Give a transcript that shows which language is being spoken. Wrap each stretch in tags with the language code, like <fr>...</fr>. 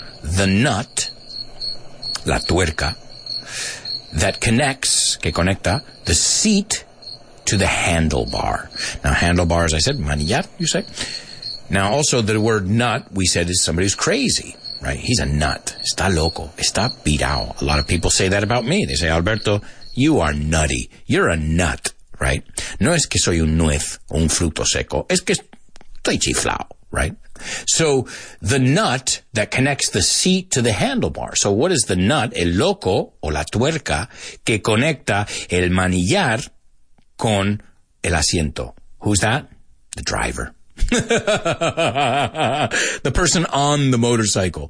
<en>The nut,</en> <es>la tuerca,</es> <en>that connects,</en> <es>que conecta,</es> <en>the seat to the handlebar. Now, handlebar, as I said, manillar, you say. Now, also, the word nut, we said, is somebody who's crazy, right? He's a nut.</en> <es>Está loco. Está pirao.</es> <en>A lot of people say that about me. They say, Alberto, you are nutty. You're a nut, right?</en> <es>No es que soy un nuez o un fruto seco. Es que estoy chiflao, right?</es> <en>So, the nut that connects the seat to the handlebar. So, what is the nut,</en> <es>el loco, o la tuerca, que conecta el manillar con el asiento?</es> <en>Who's that? The driver. The person on the motorcycle.</en>